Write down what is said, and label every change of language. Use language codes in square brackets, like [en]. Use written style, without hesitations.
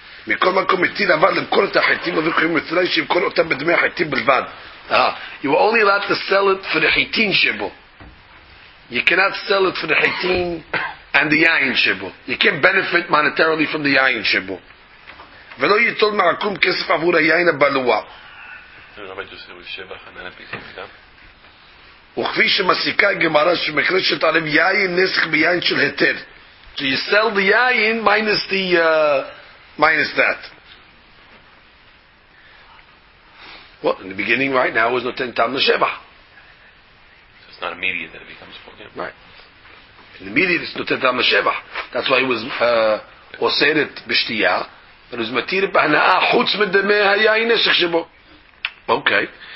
[he] מכל מקום מתיר אבל למכור את החיטים עובר קוראים מצלעי שימכור אותם בדמי החיטים בלבד. [en] You are only allowed to sell it for the חיטים שבו. You cannot sell it for the חיטים and the יין שבו. You can't benefit monetarily from the יין שבו. [he] ולא ייטול מעקום כסף עבור היין הבלוע. וכפי שמסיקה גמרא שמקרשת עליו יין נסך ביין של היתר. [en] So you sell the יין minus the... Minus that. Well, in the beginning, right now, is no ten tam l'sheva. So it's not immediate that it becomes pogim. Right. In the immediate, it's no ten tam l'sheva. That's why it was oseret b'shtiya, but it was [he] matir b'hana'a chutz medemeh hayayin neshech shebo. [en] Okay.